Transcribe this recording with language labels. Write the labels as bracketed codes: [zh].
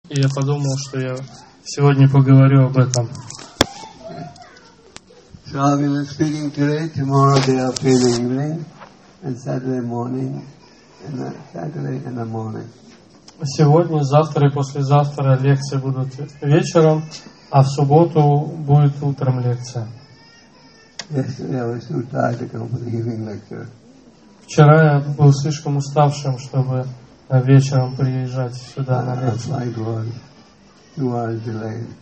[ru] И я подумал, что я сегодня поговорю об этом. [en] So I've been speaking today, tomorrow I'll be up in the evening, and Saturday morning, and Saturday in the morning. [ru] Сегодня, завтра и послезавтра лекции будут вечером, а в субботу будет утром лекция. [en] Yesterday I was too tired to come for the evening lecture. [ru] Вчера я был слишком уставшим, чтобы вечером приезжать сюда на лекцию.